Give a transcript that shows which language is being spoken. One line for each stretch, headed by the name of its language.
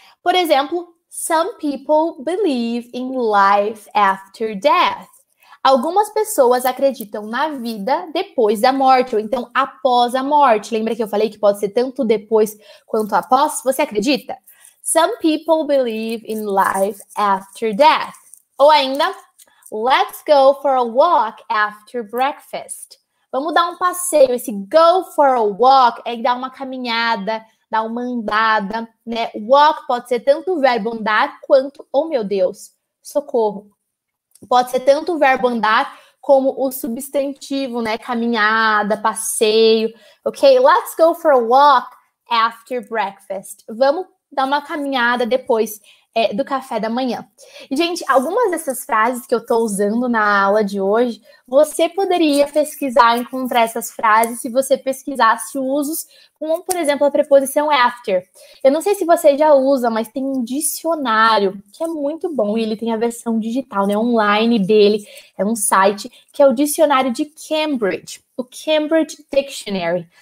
Portuguese: Por exemplo,
English: some people believe in life after death.
Portuguese: Algumas pessoas acreditam na vida depois da morte, ou então após a morte. Lembra que eu falei que pode ser tanto depois quanto após? Você acredita?
English: Some people believe in life after death.
Portuguese: Ou ainda,
English: let's go for a walk after breakfast.
Portuguese: Vamos dar um passeio. Esse
English: go for a walk
Portuguese: é dar uma caminhada, dar uma andada, né? Walk pode ser tanto o verbo andar quanto, oh meu Deus, socorro. Pode ser tanto o verbo andar como o substantivo, né? Caminhada, passeio. Ok?
English: Let's go for a walk after breakfast.
Portuguese: Vamos dar uma caminhada depois do café da manhã. Gente, algumas dessas frases que eu estou usando na aula de hoje, você poderia pesquisar e encontrar essas frases se você pesquisasse usos como, por exemplo, a preposição after. Eu não sei se você já usa, mas tem um dicionário que é muito bom e ele tem a versão digital, né, online dele, é um site, que é o dicionário de Cambridge, o Cambridge Dictionary.